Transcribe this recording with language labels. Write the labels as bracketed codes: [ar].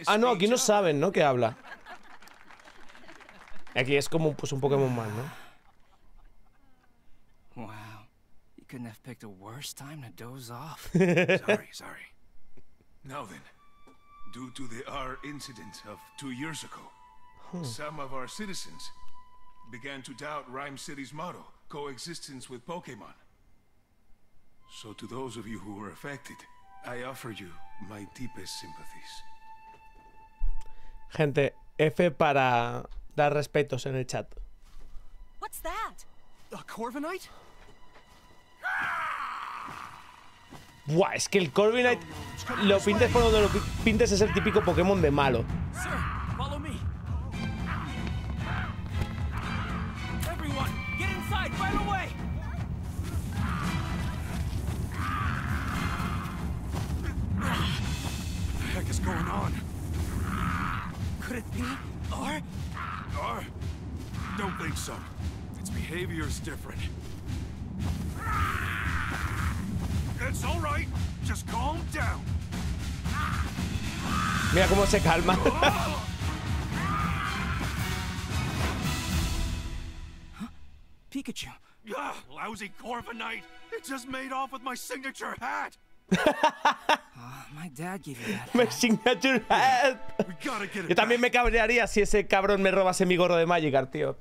[es] Ah, no, aquí no saben, ¿no? Que habla. Aquí es como pues un Pokémon más, ¿no? [en] Wow. You couldn't have picked a worse time to doze off. Sorry. Now then, due to the R incident of 2 years ago, some of our citizens began to doubt Rhyme City's motto, coexistence with Pokémon. So to those of you who were affected, I offer you my deepest sympathies. [es] Gente, F para dar respetos en el chat. [en] What's that? A Corviknight? [es] Buah, es que el Corviknight lo pintes por donde lo pintes es el típico Pokémon de malo. [en] Sir, follow me. Everyone, get inside right away. The heck is going on? Could it be R? R? Don't think so. Its behavior is different. It's all right. Just calm down. [es] Mira cómo se calma. [en] Huh? Pikachu. Ugh, lousy Corviknight. It just made off with my signature hat. my dad gave you that. My signature hat. We gotta get it. [es] Yo también me cabrearía si ese cabrón me robase mi gorro de Magikarp, tío.